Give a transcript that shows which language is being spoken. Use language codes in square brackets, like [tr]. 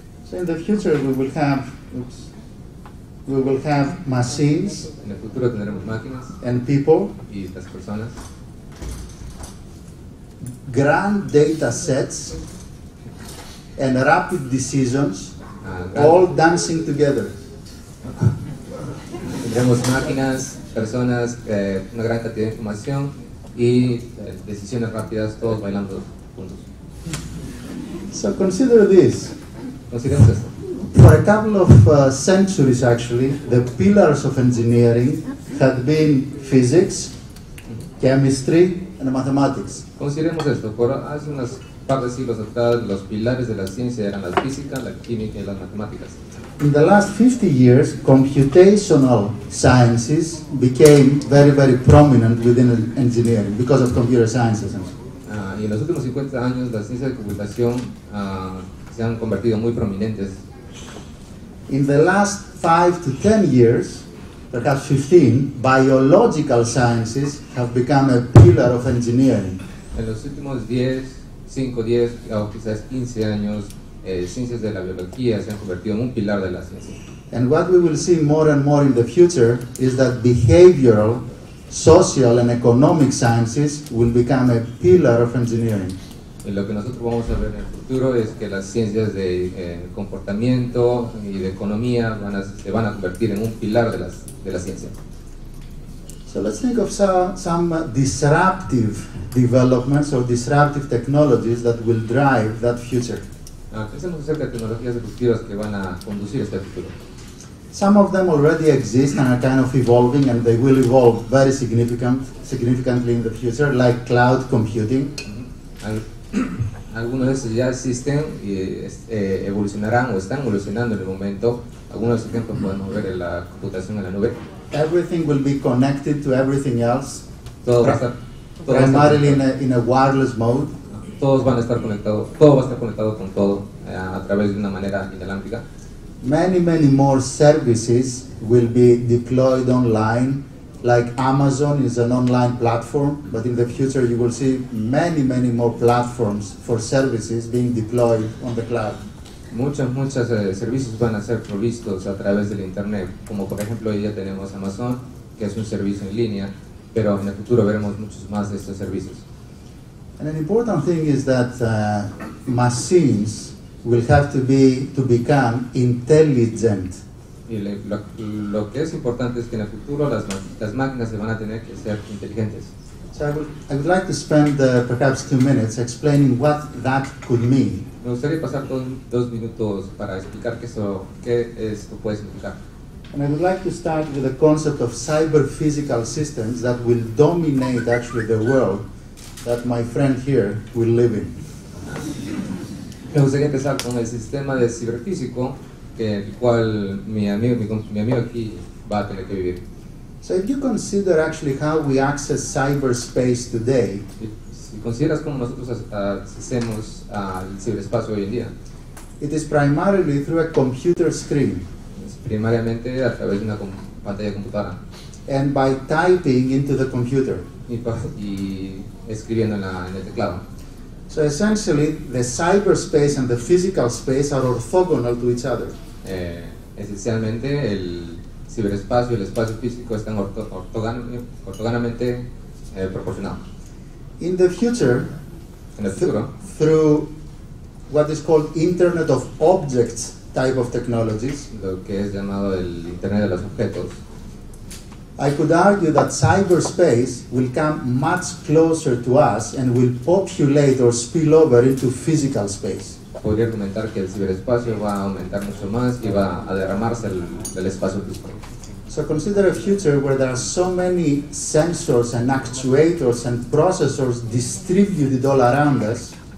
[en] So in the future we will have machines. [es] En el futuro tendremos máquinas. [en] And people. [es] Y las personas. [en] Grand data sets and rapid decisions all dancing together. [es] Tendremos máquinas, personas, una gran cantidad de información y decisiones rápidas, todos bailando juntos. [en] So consider this. [es] Consideremos esto. [en] For a couple of centuries actually, the pillars of engineering had been physics, chemistry, and mathematics. [es] Consideremos esto. Por hace unas par de siglos atrás, los pilares de la ciencia eran la física, la química y las matemáticas. [en] in the last 50 years, computational sciences became very, very prominent within engineering because of computer sciences. [es] Y en los últimos 50 años, las ciencias de computación se han convertido muy prominentes. [en] In the last 5 to 10 years, perhaps 15, biological sciences have become a pillar of engineering. [es] En los últimos 5, 10, o quizás 15 años, ciencias de la biología se han convertido en un pilar de la ciencia. [en] And what we will see more and more in the future is that behavioral, social and economic sciences will become a pillar of engineering. [es] Y lo que nosotros vamos a ver en el futuro es que las ciencias de comportamiento y de economía se van a convertir en un pilar de la ciencia. [en] So let's think of some disruptive developments or disruptive technologies that will drive that future. [es] Pensemos acerca de tecnologías disruptivas que van a conducir este futuro. [en] Some of them already exist and are kind of evolving, and they will evolve very significantly in the future, like cloud computing. [es] Algunos de estos ya existen y evolucionarán o están evolucionando en el momento. Algunos ejemplos podemos ver en la computación en la nube. [en] Everything will be connected to everything else. [es] Todo va a estar [en] primarily in a wireless mode. [es] Todos van a estar conectados. Todo va a estar conectado con todo a través de una manera inalámbrica. [en] Many, many more services will be deployed online, like Amazon is an online platform, but in the future you will see many, many more platforms for services being deployed on the cloud. [es] Muchos servicios van a ser provistos a través del internet, como por ejemplo hoy ya tenemos Amazon, que es un servicio en línea, pero en el futuro veremos muchos más de estos servicios. [en] And an important thing is that machines will have to become intelligent. [es] Y lo que es importante es que en el futuro las máquinas se van a tener que ser inteligentes. [en] So I would like to spend perhaps 2 minutes explaining what that could mean. [es] Me gustaría pasar 2 minutos para explicar qué esto puede significar. [en] And I would like to start with the concept of cyber physical systems that will dominate actually the world that my friend here will live in. [es] Me gustaría empezar con el sistema de ciberfísico que el cual mi amigo aquí va a tener que vivir. [en] So if you consider actually how we access cyberspace today, [es] si consideras cómo nosotros accedemos al ciberespacio hoy en día, [en] it is primarily through a computer screen. [es] Es primariamente a través de una pantalla de computadora. [en] And by typing into the computer. [es] Y escribiendo en el teclado. [en] So essentially, the cyberspace and the physical space are orthogonal to each other. [es] Esencialmente, el ciberespacio y el espacio físico están ortogonalmente proporcionados. [en] In the future, [es] en el futuro, [en] through what is called Internet of Objects type of technologies, [es] lo que es llamado el Internet de los Objetos, [en] I could argue that cyberspace will come much closer to us and will populate or spill over into physical space. [es] Podría argumentar que el ciberespacio va a aumentar mucho más y va a derramarse del espacio físico. [en] So consider a future where there are so many sensors and actuators and processors distributed all around us.